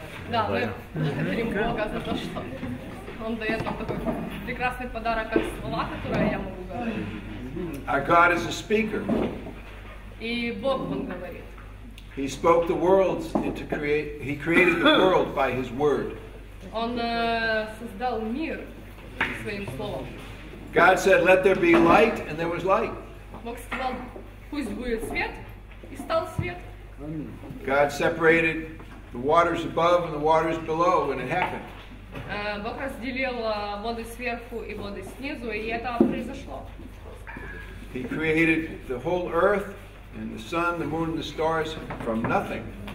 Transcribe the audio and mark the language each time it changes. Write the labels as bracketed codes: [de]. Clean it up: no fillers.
[ru] Да, мы благодарим Бога за то, что Он дает нам такой прекрасный подарок, как слова, которые я могу говорить. [en] Our God is a speaker. [ru] И Бог, Он говорит. [en] He spoke the worlds into create. He created the world by His word. [ru] Он создал мир своим словом. [en] God said, "Let there be light," and there was light. [ru] Бог сказал, пусть будет свет, и стал свет. [en] God separated the waters above and the waters below, and it happened. [ru] Бог разделил воды сверху и воды снизу, и это произошло. [en] He created the whole earth. And the sun, the moon, and the stars from nothing.